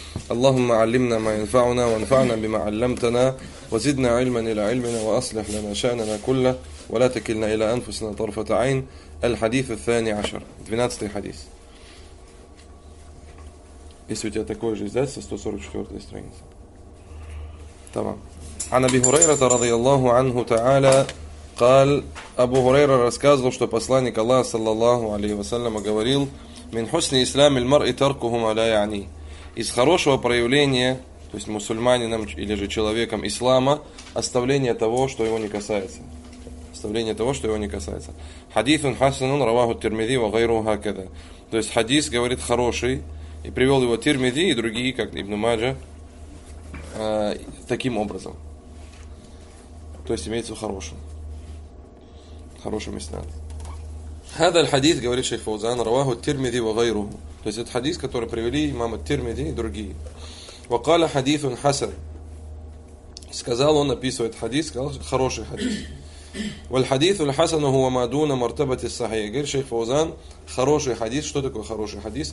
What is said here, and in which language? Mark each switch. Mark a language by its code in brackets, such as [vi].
[ar] اللهم علمنا ما ينفعنا وانفعنا بما علمتنا وزدنا علما إلى علمنا وأصلح لنا شأننا كله ولا تكلنا إلى أنفسنا طرفة عين. الحديث الثاني عشر. 12 حديث. [ru] Если у тебя такое же издательство, 144 страница. Тамам. [ar] عن أبي هريرة رضي الله عنه تعالى قال أبو هريرة [ru] рассказывал, что посланник Аллаха саллаллаху алейхи ва саллям говорил: [ar] من حسن إسلام المرء تركه ما لا يعني. [ru] Из хорошего проявления, то есть мусульманином или же человеком ислама, оставление того, что его не касается. Оставление того, что его не касается. [ar] Хадисун хасанун раваху тирмизи ва гайру хаказа. [ru] То есть хадис говорит хороший, и привел его Тирмизи и другие, как Ибн Маджа, таким образом. То есть имеется в хорошем. Хорошим иснадом. [ar] Хада аль-хадис, [ru] говорит шейх Фаузан, [ar] раваху тирмизи ва гайру. [ru] То есть это хадис, который привели имам Тирмизи и другие. [ar] Ва кала хадисун хасан. [ru] Сказал он, описывает хадис, сказал, хороший хадис. [ar] والحديث الحسن هو ما دون مرتبة الصحيح. [ru] Говорит шейх Фаузан, хороший хадис. Что такое хороший хадис?